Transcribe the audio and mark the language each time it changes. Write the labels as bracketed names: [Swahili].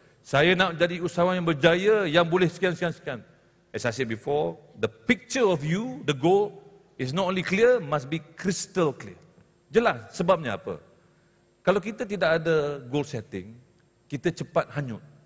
[Malay] Saya nak jadi usahawan yang berjaya, yang boleh sekian. [English] As I said before, the picture of you, the goal, is not only clear, must be crystal clear. [Malay] Jelas sebabnya apa? Kalau kita tidak ada goal setting, kita cepat hanyut.